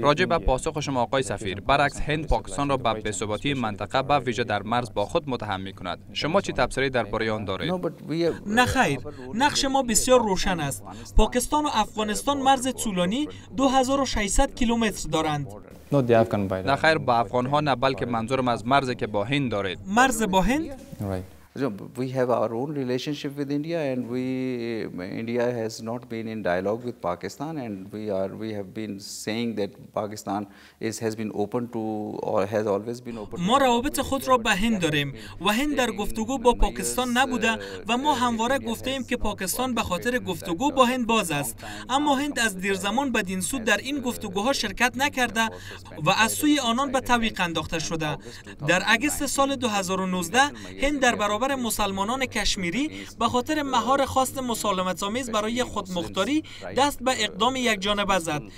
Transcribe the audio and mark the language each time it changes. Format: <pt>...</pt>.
<fa>راجع به پاسخ شما آقای سفیر، برعکس هند پاکستان را به بی‌ثباتی منطقه به ویژه در مرز با خود متهم می‌کند. شما چی تبصره درباره آن دارید؟ نخیر، نقش ما بسیار روشن است. پاکستان و افغانستان مرز طولانی 2600 کیلومتر دارند. نخیر، با افغان ها نه، بلکه منظورم از مرزی که با هند دارید. مرز با هند؟</fa> <en>We have our own relationship with India, and India has not been in dialogue with Pakistan, and we have been saying that Pakistan has been open to or has always been open.</en> <fa>ما روابط خود را به هند داریم و هند در گفتگو با پاکستان نبوده و ما همواره گفتیم که پاکستان به خاطر گفتگو با هند باز است، اما هند از دیرزمان بدین سو در این گفتگوها شرکت نکرده و از سوی آنان به تعویق انداخته شده. در آگوست سال 2019 هند در برابر مسلمانان کشمیری به خاطر مهار خواست مسالمت‌آمیز برای خودمختاری دست به اقدام یک جانبه زد.</fa>